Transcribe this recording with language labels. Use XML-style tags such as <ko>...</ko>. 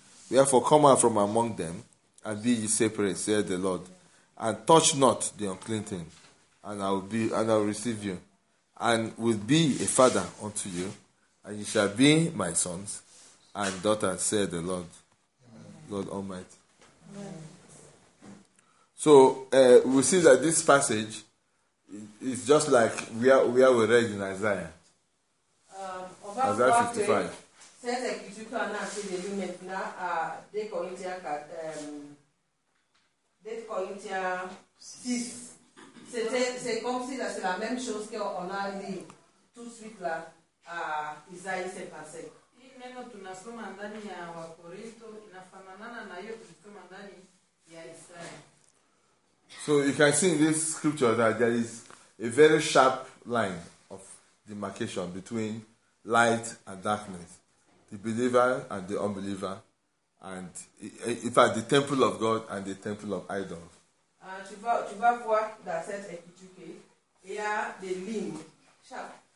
<en>Wherefore come out from among them, and be ye separate, saith the Lord, and touch not the unclean thing, and I will receive you, and will be a father unto you, and ye shall be my sons and daughters, saith the Lord. Amen. Lord Almighty. Amen. So we see that this passage is just like we are we read in Isaiah.</en> <fr>On va voir que cette écriture qu'on a enseigné lui maintenant à 2 Corinthiens 6, c'est comme si c'est la même chose qu'on a lu tout de suite là à Isaïe 55. Et même tu n'as pas mandani à wa Corinto, il n'a pas mandana na yo tu n'as mandani à Isaïe.</fr> <en>So you can see in this scripture that there is a very sharp line of demarcation between light and darkness, the believer and the unbeliever, and in fact the temple of God and the temple of idols.</en> <fr>Tu vas voir dans cette écriture qu'il y a des lignes sharp.</fr>